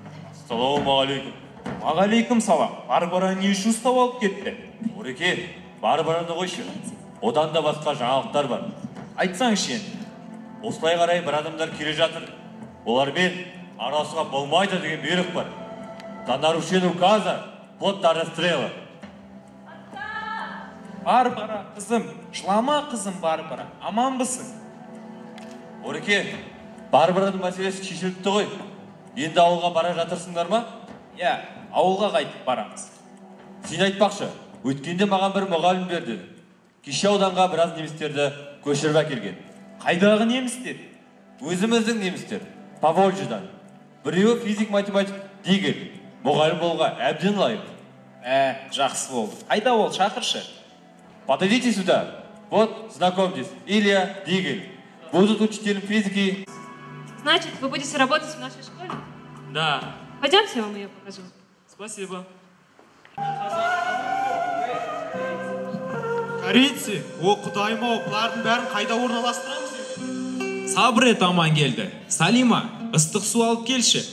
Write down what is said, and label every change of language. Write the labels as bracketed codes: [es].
[kk] Ассалау мағалейкім. Мағалейкім салам. Бар-бара не үшін ұстап алып кетті? Ореке, бар-бараны қойшы. Одан да басқа жаңалықтар бар. Айтсаң ішен. Осылай қарай бір адамдар келе жатыр. Олармен арасыға болмайды деген бұйрық бар. [ru] За нарушение указа, вплоть до расстрела. Отца! [kk] Барбара, кызым, шлама, кызым, Барбара, аман бысын. Ореке, Барбараның мәселесі шешілді ғой. Енді ауылға бара жатырсыңдар ма? Иә, ауылға қайтып барамыз. Сен айтпақшы, өткенде маған бір мұғалім берді. Кеше ауданға біраз немістерді көшіріп әкелген. Қайдағы немістер? Өзіміздің немістер, Поволжьедан. Біреуі физик-математик Дигель. Мұғалім болға әбден лайық. Жақсы болды. Айда ол, шақыршы. [ru] Подойдите сюда. Вот, знакомьтесь, Илья Дигель. Будут учителем физики. Значит, вы будете работать в нашей школе? Да. Пойдемте, я вам ее покажу. Спасибо. Корейцы, [kk] о, Кудайма, о, бұлардың бәрін қайда орналастырамыз? Сабре таман келді. Салима, ыстық су алып келші.